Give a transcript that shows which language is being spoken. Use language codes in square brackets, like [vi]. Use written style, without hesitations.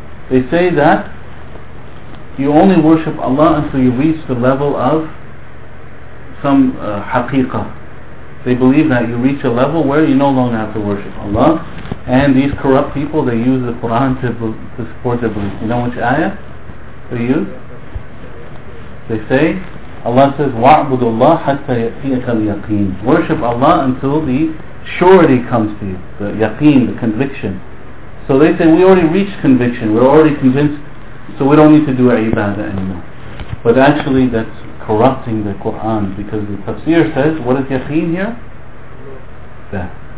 [en] They say that you only worship Allah until you reach the level of some haqiqah. They believe that you reach a level where you no longer have to worship Allah. And these corrupt people, they use the Quran to support their belief. You know which ayah they use? They say, Allah says, [ar] وَعْبُدُ اللَّهَ حَتَّى يَأْتِيَكَ الْيَقِينَ. [en] Worship Allah until the surety comes to you, the yaqeen, the conviction. So they say, we already reached conviction, we're already convinced, so we don't need to do our ibadah anymore. But actually that's corrupting the Quran, because the tafsir says, what is yaqeen here? Death.